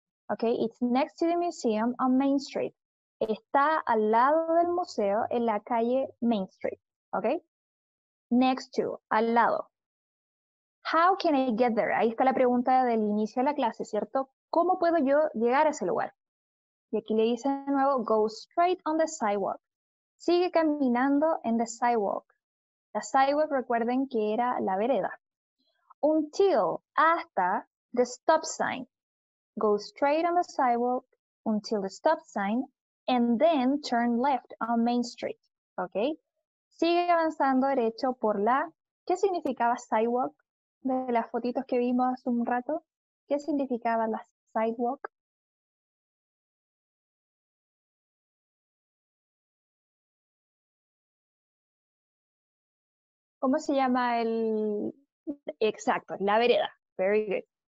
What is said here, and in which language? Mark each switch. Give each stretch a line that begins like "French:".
English: Okay, it's next to the museum on Main Street.
Spanish: Está al lado del museo en la calle Main Street.
English: Okay, next to,
Spanish: al lado.
English: How can I get there?
Spanish: Ahí está la pregunta del inicio de la clase, ¿cierto? ¿Cómo puedo yo llegar a ese lugar? Y aquí le dice de nuevo,
English: go straight on the sidewalk.
Spanish: Sigue caminando en the sidewalk. La sidewalk, recuerden que era la vereda.
English: Until, hasta the stop sign. Go straight on the sidewalk until the stop sign and then turn left on Main Street.
Spanish: Okay? Sigue avanzando derecho por la... ¿Qué significaba sidewalk? De las fotitos que vimos hace un rato, ¿qué significaba la sidewalk? ¿Cómo se llama el...? Exacto, la vereda.
English: Very good.